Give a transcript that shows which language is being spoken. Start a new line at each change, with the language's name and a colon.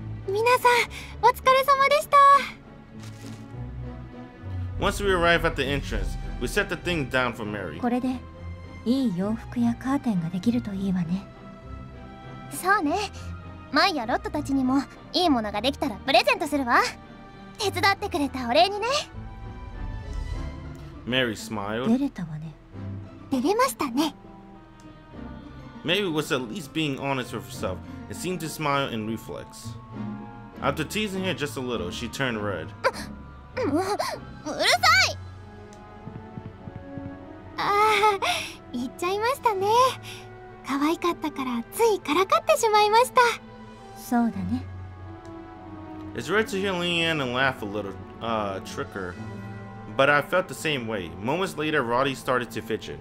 Japanese: みなさん、お疲れ様でした。
English: Once we arrived at the entrance, we set the things down for Mary.
Japanese: これで、いい洋服やカーテンができるといいわね。そうね。マイやロットたちにもいいものができたらプレゼントするわ。手伝ってくれたお礼にね。
English: メリー smiled.
Japanese: 出れたわね。出れましたね。
English: メリー was at least being honest with herself and seemed to smile in reflex. After teasing her just a little, she turned red.
Japanese: うるさい！ああ、言っちゃいましたね。可愛かったからついからかってしまいました。そうだね。
English: It's rare to hear Liliana laugh a little, tricker. But I felt the same way. Moments later, Roddy started to fidget.